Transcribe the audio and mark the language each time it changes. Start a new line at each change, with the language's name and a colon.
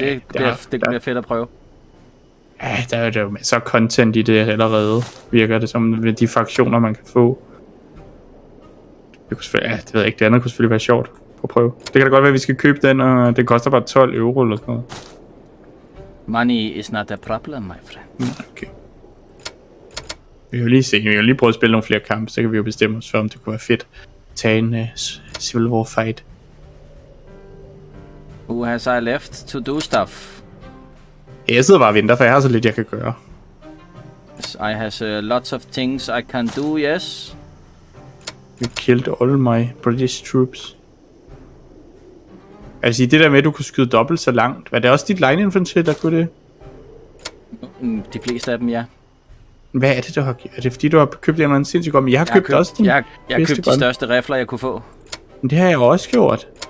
Danish: Det bliver fedt at prøve. Ja, der er jo så content i det allerede, virker det som med de fraktioner, man kan få. Det kunne selvfølgelig, det ved jeg ikke, det andet kunne selvfølgelig være sjovt at prøve. Det kan da godt være, at vi skal købe den, og det koster bare 12 euro eller sådan noget.
English: Money is not a problem, my friend. Okay.
Danish: Vi vil lige se, vi vil lige prøve at spille nogle flere kampe, så kan vi jo bestemme os for, om det kunne være fedt at tage en Civil War fight.
English: Who has I left to do stuff?
Danish: Jeg sidder bare og venter, for jeg har så lidt, jeg kan gøre.
English: I has lots of things I can do, yes. You killed all my British troops.
Danish: Altså, det der med, at du kunne skyde dobbelt så langt, var det også dit line infantry, der kunne det? De fleste af dem, ja. Hvad er det, du har gjort? Er det fordi, du har købt en anden sindssygt godt? Men jeg har købt også din bedste gun. Jeg har købt de største rifler, jeg kunne få. Men det har jeg også gjort.